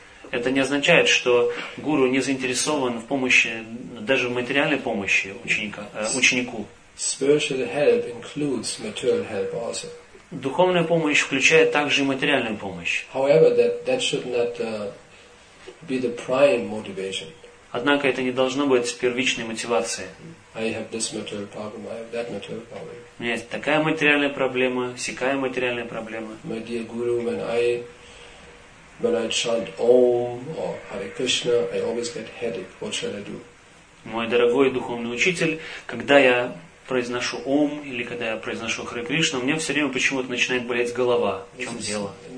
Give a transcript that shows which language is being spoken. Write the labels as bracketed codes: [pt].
[ru] Это не означает, что гуру не заинтересован в помощи, даже в материальной помощи ученику. [en] Spiritual help includes material help also. [ru] Духовная помощь включает также и материальную помощь. [en] However, that should not be the prime motivation. [ru] Однако это не должно быть первичной мотивацией. [en] I have this material problem, I have that material problem. [ru] У меня есть такая материальная проблема, сякая материальная проблема. [en] My dear guru, when I chant Om or Hare Krishna, I always get headache. What shall I do? [ru] Мой дорогой духовный учитель, когда я произношу Ом, или когда я произношу Харе Кришна, у меня все время почему-то начинает болеть голова. В чем дело?